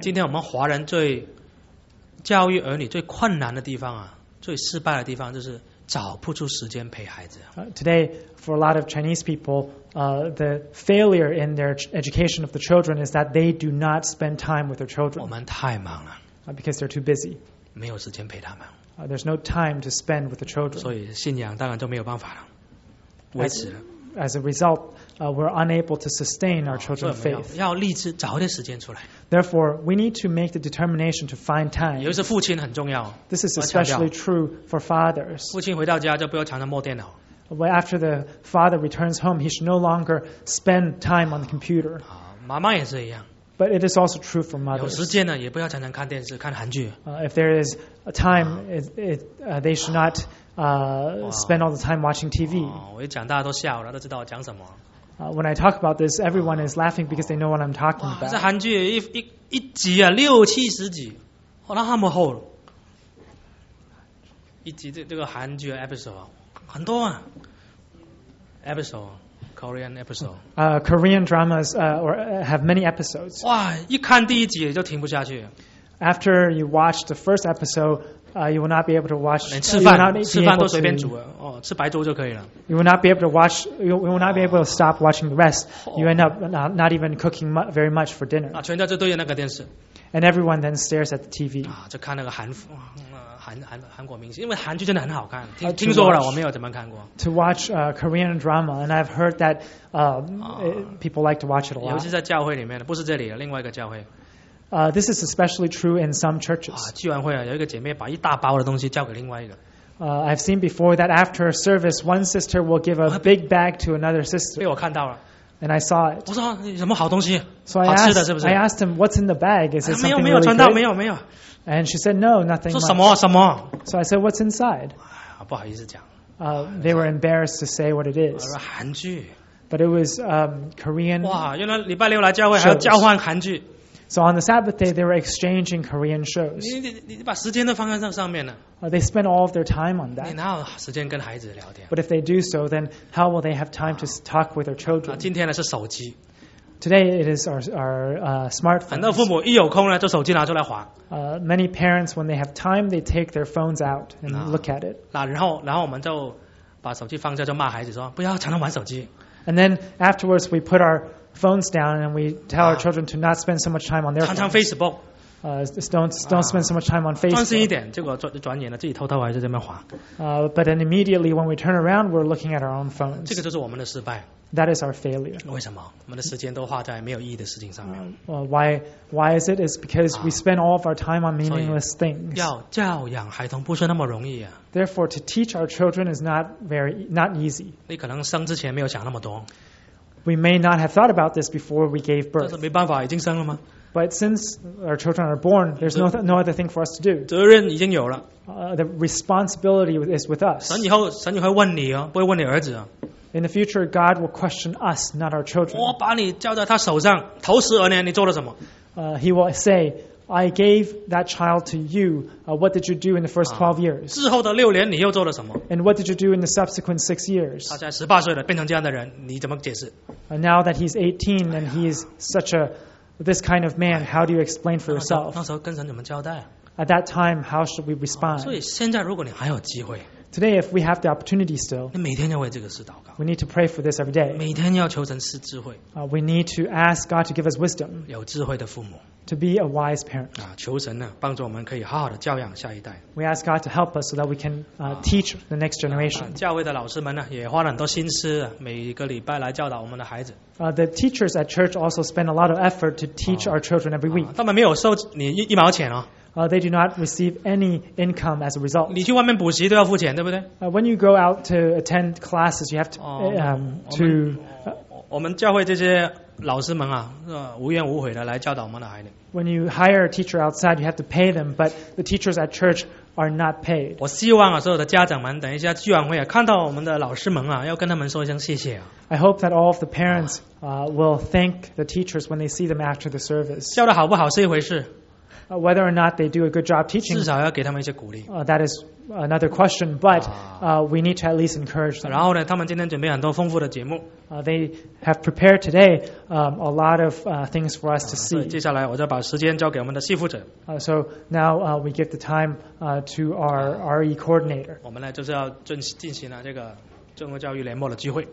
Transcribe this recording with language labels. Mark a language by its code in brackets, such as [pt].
[zh] 今天我们华人最教育儿女最困难的地方啊, 最失败的地方, 就是找不出时间陪孩子。 [en] Today, for a lot of Chinese people, the failure in their education of the children is that they do not spend time with their children. [zh] 我们太忙了, [en] because they're too busy. [zh] 没有时间陪他们。 [en] There's no time to spend with the children. [zh] 所以信仰当然就没有办法了, [en] as a result, we're unable to sustain our children's faith. [zh] 要立志找一点时间出来。 [en] Therefore, we need to make the determination to find time. [zh] 尤其是父亲很重要, [en] this is especially true for fathers. [zh] 父亲回到家就不要常常摸电脑。 [en] Well, after the father returns home, he should no longer spend time on the computer. [zh] 妈妈也是一样。 [en] But it is also true for mothers. [zh] 有时间呢, 也不要常常看电视, 看韩剧。 [en] If there is a time, they should not spend all the time watching TV. [zh] 我一讲大家都笑了, 都知道我讲什么。 [en] When I talk about this, everyone is laughing because they know what I'm talking about. [zh] 这韩剧一集啊, 六七十集, 那么厚了。一集这个韩剧 episode, 很多啊, episode. [en] Korean episode. Korean dramas have many episodes. [zh] 哇, 一看第一集就停不下去。 [en] After you watch the first episode, you will not be able to watch. [zh] 连吃饭, 吃饭都随便煮了, 哦, 吃白粥就可以了。 [en] You will not be able to watch. You will not be able to stop watching the rest. You end up not even cooking very much for dinner. [zh] 啊, 全家就对着那个电视。 [en] And everyone then stares at the TV. [zh] 啊, 就看那个韩服。韩国明星，因为韩剧真的很好看。听说了，我没有怎么看过。 [en] To watch Korean drama, and I've heard that people like to watch it a lot. [zh] 尤其在教会里面，不是这里，另外一个教会。 [en] This is especially true in some churches. [zh] 聚完会啊，有一个姐妹把一大包的东西交给另外一个。 [en] I've seen before that after a service, one sister will give a big bag to another sister. [zh] 被我看到了。 [en] And I saw it. [zh] 我说什么好东西？ [en] So I asked him, what's in the bag? Is it something really good? [zh] 没有，没有传道，没有。 [en] And she said, no, nothing much. [zh] 说什么？ [en] So I said, what's inside? [zh] 不好意思讲。 [en] They were embarrassed to say what it is. [zh] 我说韩剧。 [en] But it was Korean. [zh] 哇，原来礼拜六来教会还要交换韩剧。 [en] So on the Sabbath day, they were exchanging Korean shows. [zh] 你把时间都放在上面了。 [en] They spent all of their time on that. [zh] 你哪有时间跟孩子聊天？ [en] But if they do so, then how will they have time to talk with their children? [zh] 今天呢是手机。 [en] Today it is our smartphones. [zh] 很多父母一有空呢，就手机拿出来滑。 [en] Many parents, when they have time, they take their phones out and look at it. [zh] 然后我们就把手机放下，就骂孩子说不要常常玩手机。 [en] And then afterwards, we put our phones down and we tell our children to not spend so much time on their phones. [zh] 常常Facebook. [en] Don't spend so much time on Facebook. [zh] 专心一点，结果转眼呢，自己偷偷还是在那边滑。 [en] But then immediately when we turn around, we're looking at our own phones. [zh] 这个就是我们的失败。 [en] That is our failure. [zh] 为什么? 我们的时间都花在没有意义的事情上面。 [en] Why is it? It's because we spend all of our time on meaningless things. [zh] 要教养孩童不是那么容易啊。 [en] Therefore, to teach our children is not easy. [zh] 你可能生之前没有想那么多。 [en] We may not have thought about this before we gave birth. [zh] 但是没办法，已经生了吗？ [en] But since our children are born, there's no other thing for us to do. [zh] 责任已经有了。 [en] The responsibility is with us. [zh] 神以后会问你哦，不会问你儿子啊。 [en] In the future, God will question us, not our children. [zh] 我把你交在他手上，头十二年，你做了什么？ [en] He will say, I gave that child to you. What did you do in the first 12 years? [zh] 之后的六年，你又做了什么？ [en] And what did you do in the subsequent 6 years? [zh] 他现在18岁了，变成这样的人，你怎么解释？ [en] Now that he's 18 and he is such a this kind of man, how do you explain for yourself? [zh] 那时候跟神怎么交代？ [en] At that time, how should we respond? [zh] 所以现在如果你还有机会， [en] Today, if we have the opportunity still, [zh] 你每天要为这个事祷告。 [en] We need to pray for this every day. [zh] 每天要求神赐智慧。 [en] We need to ask God to give us wisdom. [zh] 有智慧的父母。 [en] To be a wise parent. [zh] 求神呢，帮助我们可以好好的教养下一代。 [en] We ask God to help us so that we can teach the next generation. [zh] 教会的老师们呢，也花了很多心思，每个礼拜来教导我们的孩子。 [en] The teachers at church also spend a lot of effort to teach our children every week. [zh] 他们没有收你一毛钱哦。 [en] They do not receive any income as a result. [zh] 你去外面补习都要付钱，对不对？ [en] When you go out to attend classes, you have to [zh] 我们教会这些老师们啊，无怨无悔的来教导我们的孩子。 [en] When you hire a teacher outside, you have to pay them, but the teachers at church are not paid. [zh] 我希望啊，所有的家长们等一下聚完会啊，看到我们的老师们啊，要跟他们说一声谢谢啊。 [en] I hope that all of the parents will thank the teachers when they see them after the service. [zh] 教的好不好是一回事。 [en] Whether or not they do a good job teaching, [zh] 至少要给他们一些鼓励。 [en] That is another question, but we need to at least encourage them. [zh] 然后呢，他们今天准备很多丰富的节目。 [en] They have prepared today a lot of things for us to see. [zh] 接下来我再把时间交给我们的系负责。 [en] So now we give the time to our RE coordinator. [zh] 我们呢就是要进行了这个中国教育联盟的聚会。